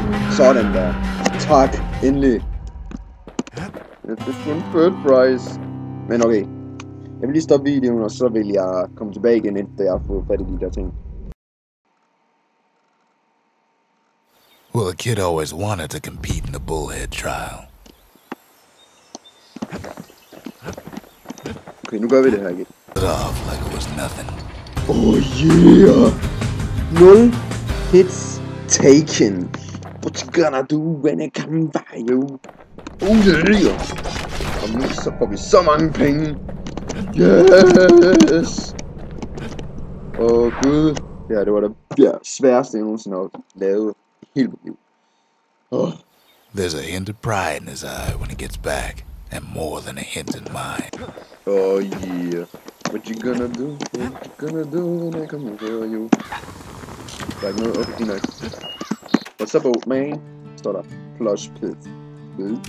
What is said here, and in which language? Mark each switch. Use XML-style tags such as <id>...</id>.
<da>Sådan der. Tak, endelig. Det er en</da> <en>third prize.</en> <da>Men okay. Jeg vil lige stoppe videoen, og så vil jeg komme tilbage igen, efter jeg har fået fat i de der ting.</da> <en>Well, a kid always wanted to compete in the bullhead trial.</en> <da>Okay, nu gør vi det her igen.</da> <en>Put off like it was nothing. Oh yeah! 0 hits taken. What you gonna do when it come by you? Oh yeah!</en> <da>Og nu så får vi så mange penge! Yes! Åh gud! Ja, det var det sværeste jeg nogensinde har lavet i hele mit liv.</da> <en>There's a hint of pride in his eye when he gets back, and more than a hint in mine. Oh yeah! What you gonna do? What you gonna do when I come by you? Like, no, okay, nice. What's up, old man? Start a plush pyth.</en>